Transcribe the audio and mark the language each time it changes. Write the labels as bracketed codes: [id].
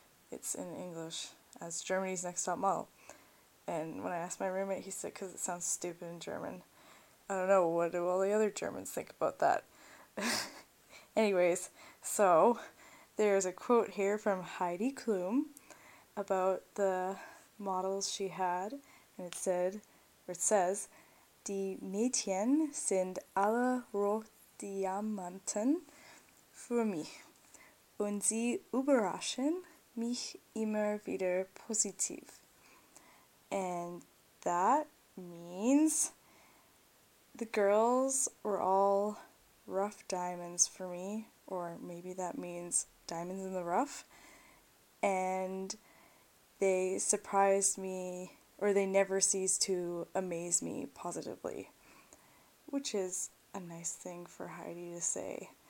[en] It's in English as Germany's next top model. And when I asked my roommate, he said, because it sounds stupid in German. I don't know, what do all the other Germans think about that? Anyways, so there's a quote here from Heidi Klum about the models she had. [de] And it said, or it says, die Mädchen sind alle Rohdiamanten für mich. Und sie überraschen mich immer wieder positiv. [en] And that means the girls were all rough diamonds for me, or maybe that means diamonds in the rough, and they surprised me, or they never cease to amaze me positively, which is a nice thing for Heidi to say.